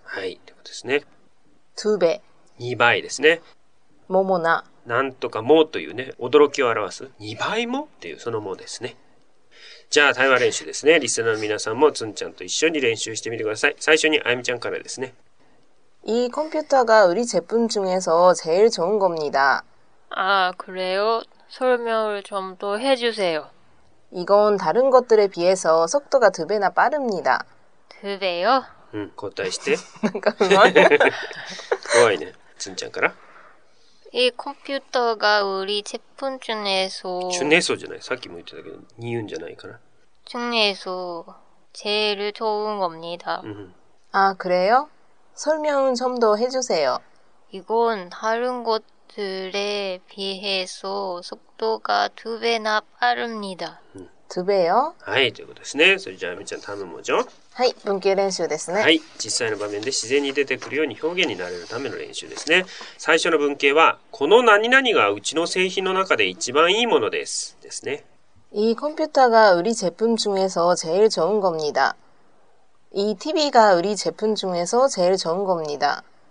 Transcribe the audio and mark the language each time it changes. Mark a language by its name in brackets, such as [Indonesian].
[Japanese] はい。ということですね。 [Korean] 두배。 [Japanese] 二倍ですね。もも나。なんとかもというね、驚きを表す。二倍もっていう、そのもですね。じゃあ、対話練習ですね。リスナーの皆さんも、つんちゃんと一緒に練習してみてください。最初に、あゆみちゃんからですね。 [Korean] 이컴퓨터가우리제품중에서제일좋은겁니다。 아그래요？ 설명을좀더해주세요。 이건다른것들에비해서속도가두배나빠릅니다。 두배요？ [Japanese] 응答えして。なんか怖いね。つんちゃんから。 [Korean] 이컴퓨터가우리제품중에서 중에서 [Japanese] じゃない。さっきも言ってたけど、니은じゃないから。 [Korean] 중에서제일좋은겁니다。 아그래요？ 설명은좀더해주세요。 이건다른것들에비해서속도가두배나빠릅니다。 두 배요? [Japanese] はい、ということですね。それじゃあ、みちゃん、頼むもじょ。はい、文型練習ですね。はい、実際の場面で自然に出てくるように表現になれるための練習ですね。最初の文型は、この何々がうちの製品の中で一番いいものです。ですね。 [Korean] 이컴퓨터가우리제품중에서제일좋은겁니다。 이 TV 가우리제품중에서제일좋은겁니다。